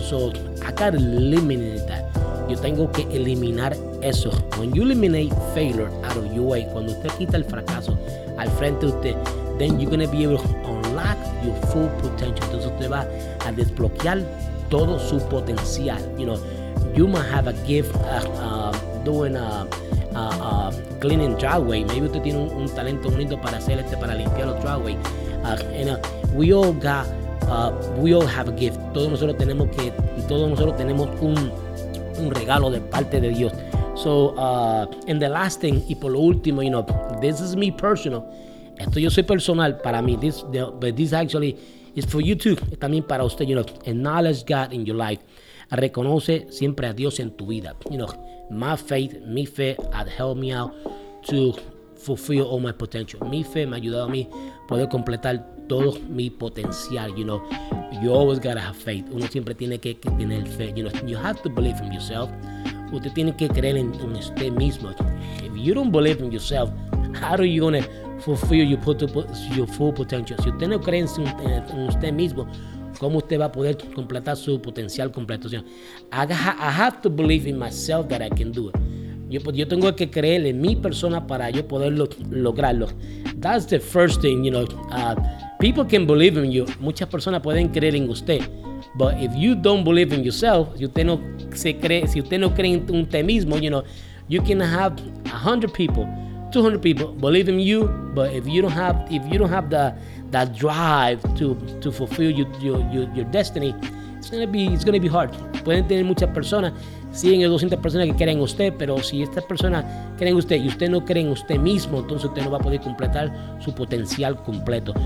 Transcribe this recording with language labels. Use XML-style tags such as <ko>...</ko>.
<en>So I gotta eliminate that.</en> <es>Yo tengo que eliminar eso.</es> <en>When you eliminate failure out of your way,</en> <es>cuando usted quita el fracaso al frente de usted,</es> <en>then you're gonna be able to unlock your full potential. Entonces usted va a desbloquear todo su potencial. You know, you might have a gift doing a cleaning driveway. Maybe usted tiene un talento bonito para hacer para limpiar los driveway. We all have a gift.</en> <es>Todos nosotros tenemos un regalo de parte de Dios.</es> <en>So, and the last thing,</en> <es>y por lo último,</es> <en>you know, this is me personal.</en> <es>Esto yo soy personal para mí.</es> <en>But this actually is for you too.</en> <es>También para usted,</es> <en>you know. Acknowledge God in your life.</en> <es>Reconoce siempre a Dios en tu vida.</es> <en>You know, my faith,</en> <es>mi fe,</es> <en>had helped me out to fulfill all my potential.</en> <es>Mi fe me ha ayudado a mí poder completar todo mi potencial,</es> <en>you know. You always gotta have faith.</en> <es>Uno siempre tiene que tener fe,</es> <en>you know. You have to believe in yourself.</en> <es>Usted tiene que creer en usted mismo.</es> <en>If you don't believe in yourself, how are you gonna fulfill your full potential?</en> <es>Si usted no cree en usted mismo, ¿cómo usted va a poder completar su potencial completo? O sea,</es> <en>I have to believe in myself that I can do it.</en> <es>Yo tengo que creer en mi persona para yo poderlo lograrlo.</es> <en>That's the first thing, you know. People can believe in you.</en> <es>Muchas personas pueden creer en usted.</es> <en>But if you don't believe in yourself,</en> <es>si usted no cree en usted mismo,</es> <en>you know, you can have 100 people, 200 people believe in you. But if you don't have that drive to fulfill your destiny, it's gonna be hard.</en> <es>Pueden tener muchas personas, 100 o 200 personas que creen en usted, pero si estas personas creen en usted y usted no cree en usted mismo, entonces usted no va a poder completar su potencial completo.</es>